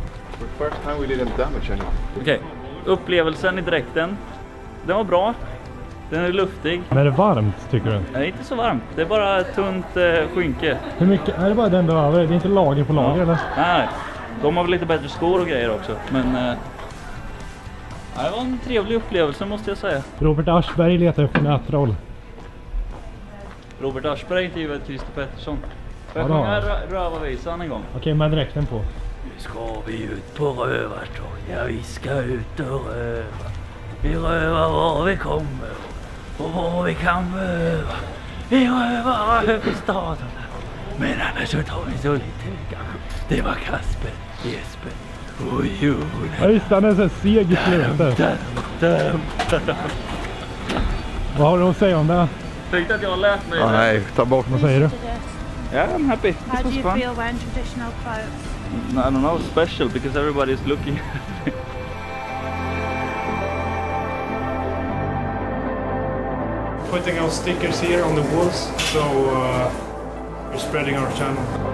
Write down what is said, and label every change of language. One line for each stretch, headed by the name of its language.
English: For the first time we did a damage anyway.
Swedish: Okej. Upplevelsen i dräkten. Den var bra. Den är luftig. Men är det varmt tycker du? Nej, inte så varmt. Det är bara tunt skynke. Hur mycket? Är det bara den du har? Det är inte lager på lager, ja. Eller? Nej, de har väl lite bättre skor och grejer också. Men Det var en trevlig upplevelse måste jag säga. Robert Aschberg letar efter nätroll. Robert Aschberg intervjuade Christer Pettersson. Får jag sjunga rövavisan en gång? Okej, med dräkten på. Nu ska vi ut på rövartorg. Ja, vi ska ut och röva. Vi rövar var vi kommer och var vi kan röva. Vi rövar över staden. Men annars så tar vi så lite vika. Det var Kasper, Jesper. Oj, oj. Ja, just han är så seg i slutet. Vad har du att säga om det? Tänkte att jag lät mig. Ah, nej, ta bort. Vad säger du?
English: Ja, yeah, I'm happy. How do you feel wearing traditional clothes? No, I don't know, special because everybody is looking. Putting our stickers here on the walls, so we're spreading our channel.